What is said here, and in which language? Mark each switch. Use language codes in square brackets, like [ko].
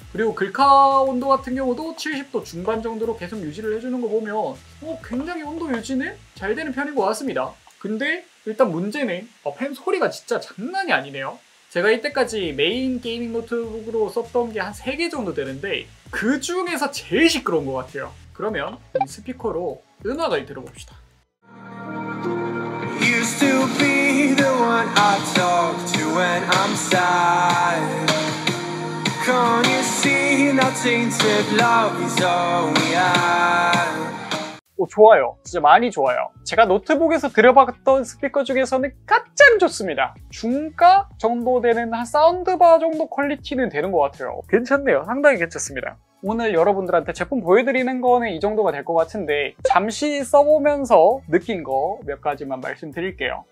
[ko] 그리고 글카 온도 같은 경우도 70도 중반 정도로 계속 유지를 해주는 거 보면 굉장히 온도 유지는 잘 되는 편인 것 같습니다. 근데 일단 문제는 팬 소리가 진짜 장난이 아니네요. 제가 이때까지 메인 게이밍 노트북으로 썼던 게 한 3개 정도 되는데 그 중에서 제일 시끄러운 것 같아요. 그러면 이 스피커로 음악을 들어봅시다. [en] Used to be the one I talk to when I'm sad. Can't you see that tainted love is all we have. [ko] 좋아요. 진짜 많이 좋아요. 제가 노트북에서 들어봤던 스피커 중에서는 가장 좋습니다. 중가 정도 되는 한 사운드바 정도 퀄리티는 되는 것 같아요. 괜찮네요. 상당히 괜찮습니다. 오늘 여러분들한테 제품 보여드리는 거는 이 정도가 될 것 같은데 잠시 써보면서 느낀 거 몇 가지만 말씀드릴게요.